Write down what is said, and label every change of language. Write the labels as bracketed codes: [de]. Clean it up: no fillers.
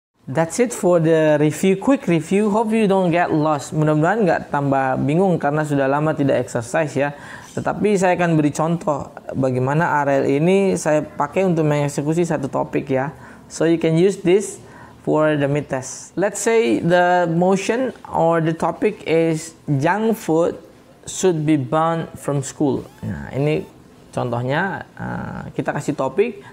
[en] That's it for the review, quick review. Hope you don't get lost. [id] Mudah-mudahan nggak tambah bingung karena sudah lama tidak exercise ya. Tetapi saya akan beri contoh bagaimana AREL ini saya pakai untuk mengeksekusi satu topik ya. [en] So you can use this for the mid test. Let's say the motion or the topic is junk food should be banned from school. [id] Nah ini contohnya, kita kasih topik.